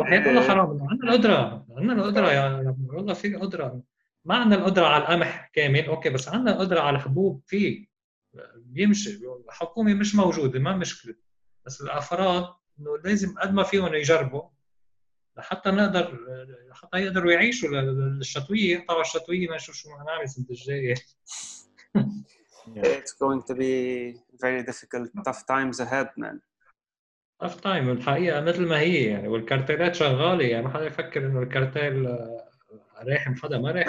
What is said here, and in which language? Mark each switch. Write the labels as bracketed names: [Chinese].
[Arabic] وحياه الله حرام، عندنا القدرة، عندنا القدرة يا يعني. والله في قدرة، ما عندنا القدرة على القمح كامل اوكي، بس عندنا القدرة على الحبوب، فيه بيمشي الحكومة مش موجودة ما مشكلة، بس الأفراد انه لازم قد ما فيهم يجربوا لحتى نقدر حتى يقدروا يعيشوا للشتوية. طبعا الشتوية ما نشوف شو هنعمل السنة الجاية. [English] It's going to be very difficult, tough times ahead man. [Arabic] Tough time الحقيقة مثل ما هي يعني، والكارتيلات شغالة يعني، ما حدا يفكر انه الكارتيل رايح مفدا ما رايح.